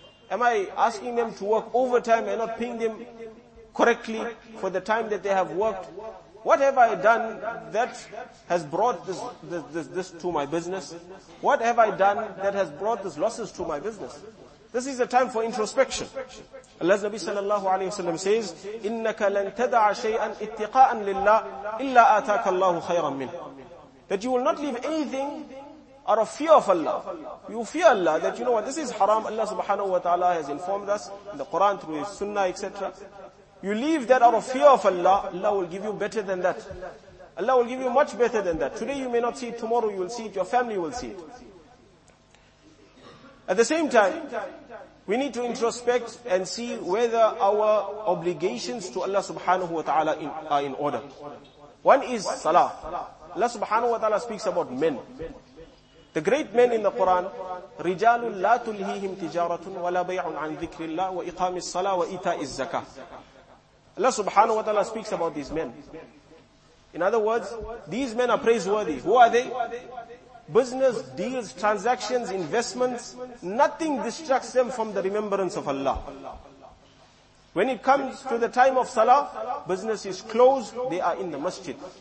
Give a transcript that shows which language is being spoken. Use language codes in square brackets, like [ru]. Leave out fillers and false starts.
[en] Am I asking them to work overtime and not paying them correctly for the time that they have worked? What have I done that has brought this to my business? What have I done that has brought these losses to my business? This is a time for introspection. Allah's Nabi sallallahu alayhi wa sallam says, [ar] إِنَّكَ لَن تَدَعَ شَيْئًا اتِّقَاءً لِلَّهِ إِلَّا آتَاكَ اللَّهُ خَيْرًا مِنْ. [en] That you will not leave anything out of fear of Allah. You fear Allah that, you know what, this is haram. Allah subhanahu wa ta'ala has informed us in the Quran through his sunnah, etc. You leave that out of fear of Allah, Allah will give you better than that. Allah will give you much better than that. Today you may not see it, tomorrow you will see it, your family will see it. At the same time, we need to introspect and see whether our obligations to Allah subhanahu wa ta'ala are in order. One is salah. Allah subhanahu wa ta'ala speaks about men. The great men in the Quran, [ar] رِجَالٌ لَا تُلْهِيهِمْ تِجَارَةٌ وَلَا بَيْعٌ عَنْ ذِكْرِ اللَّهِ وَإِقَامِ الصَّلَاةِ وَإِيتَاءِ الزَّكَاةِ. [en] Allah subhanahu wa ta'ala speaks about these men. In other words, these men are praiseworthy. Who are they? Business, deals, transactions, investments, nothing distracts them from the remembrance of Allah. When it comes to the time of salah, business is closed, they are in the masjid.